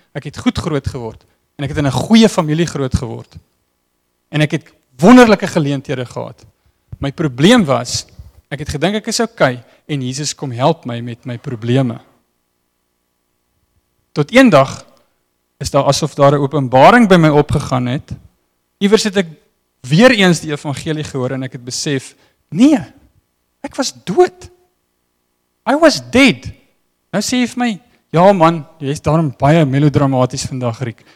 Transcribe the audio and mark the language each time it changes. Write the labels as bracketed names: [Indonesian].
[Afrikaans] Ek het goed groot geword en ek het in 'n goeie familie groot geword. En ek het wonderlike geleenthede gehad. My probleem was, ek het gedink ek is okay en Jesus kom help my met my probleme. Tot eendag is daar asof daar 'n openbaring by my opgegaan het. Iewers het ek weer eens die evangelie gehoor en ek het besef, nee, ek was dood. [English] I was dead. [Afrikaans] Nou sê hy vir my, ja man, jy is daarom baie melodramatisch vandag, Riek.